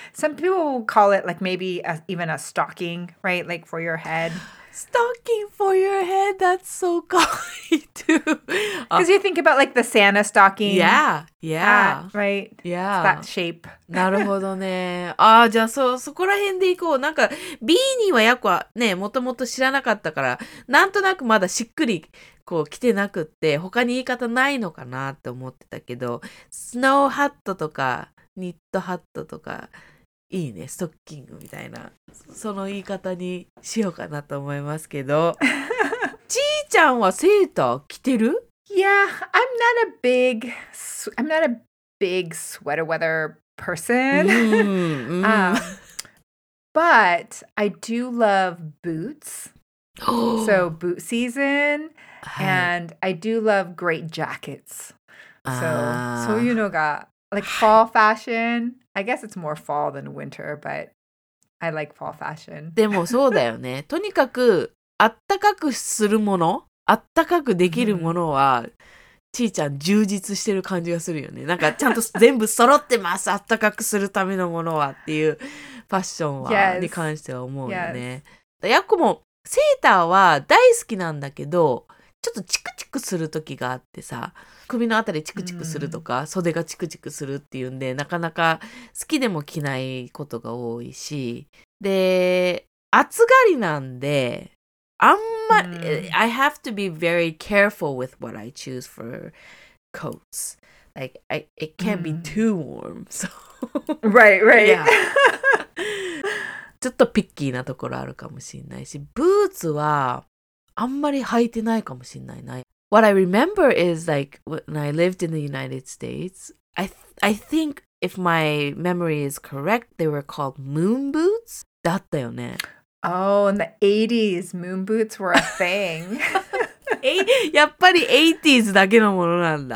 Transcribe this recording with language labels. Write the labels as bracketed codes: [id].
[en] Some people call it like maybe even a stocking, right? Like for your head. Stocking for your head. That's so kawaii too. Because you think about like the Santa stocking. Yeah. Yeah. Hat, right? Yeah. It's that shape. [ja] なるほどね。ああ、じゃあそこら辺でいこう。なんか、ビーニーはやっぱね、もともと知らなかったから、なんとなくまだしっくりこう来てなくって、他に言い方ないのかなって思ってたけど、スノーハットとか、ニットハットとか、いいね、ストッキングみたいな、その言い方にしようかなと思いますけど。ちーちゃんはセーター着てる？ [en] Yeah, I'm not a big sweater weather person. But I do love boots. So boot season. And I do love great jackets. So you know, like fall fashion. I guess it's more fall than winter, but I like fall fashion. [ja] でもそうだよね。とにかく、あったかくするもの、あったかくできるものは、ちーちゃん充実してる感じがするよね。なんかちゃんと全部揃ってます。あったかくするためのものはっていうファッションは、 [en] yes. [ja] に関しては思うよね。 [en] Yes. [ja] やっこもセーターは大好きなんだけど、ちょっとチクチクする時があってさ、首のあたりチクチクするとか、袖がチクチクするっていうんで、なかなか好きでも着ないことが多いし、で、暑がりなんで、あんま、 [en] I have to be very careful with what I choose for coats. Like, it can't be too warm. So. Right, right. Yeah. [ja] ちょっとピッキーなところあるかもしれないし、ブーツはあんまり履いてないかもしれないな。 [en] What I remember is like when I lived in the United States, I think if my memory is correct, they were called moon boots. [ja] だったよね。 [en] Oh, in the 80s, moon boots were a thing. [ja] やっぱり 80s だけのものなんだ。